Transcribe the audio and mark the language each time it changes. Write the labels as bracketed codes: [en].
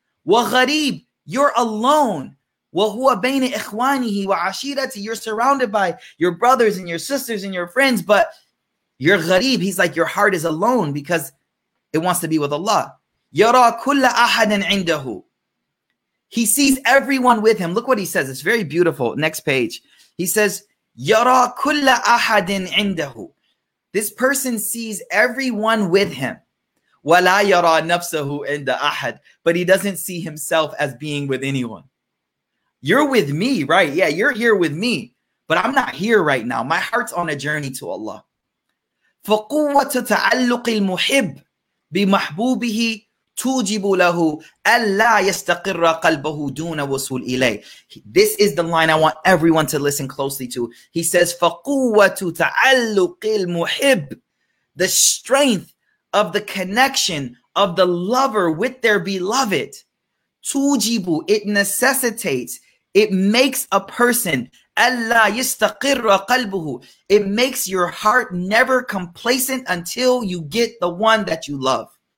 [ar] وَغَرِيب. [en] You're alone. [ar] وَهُوَ بَيْنِ إِخْوَانِهِ وَعَشِيرَتِ. [en] You're surrounded by your brothers and your sisters and your friends, but you're غَرِيب. He's like, your heart is alone because it wants to be with Allah. [ar] يَرَى كُلَّ أَحَدٍ عِنْدَهُ. [en] He sees everyone with him. Look what he says. It's very beautiful. Next page. He says, [ar] يَرَى كُلَّ أَحَدٍ عِنْدَهُ. [en] This person sees everyone with him. [ar] وَلَا يَرَى نَفْسَهُ عِنْدَ أَحَدٍ. [en] But he doesn't see himself as being with anyone. You're with me, right? Yeah, you're here with me. But I'm not here right now. My heart's on a journey to Allah. [ar] فَقُوَّةُ تَعَلُّقِ الْمُحِبِّ بِمَحْبُوبِهِ تُوجِبُ لَهُ أَلَّا يَسْتَقِرَّ قَلْبَهُ دُونَ وَسُولِ إِلَيْهِ. [en] This is the line I want everyone to listen closely to. He says, [ar] فَقُوَّةُ تَعَلُّقِ الْمُحِبِّ. [en] The strength of the connection of the lover with their beloved. تُوجِبُ, it necessitates, it makes a person, [ar] أَلَّا يَسْتَقِرَّ قَلْبُهُ, [en] it makes your heart never complacent until you get the one that you love.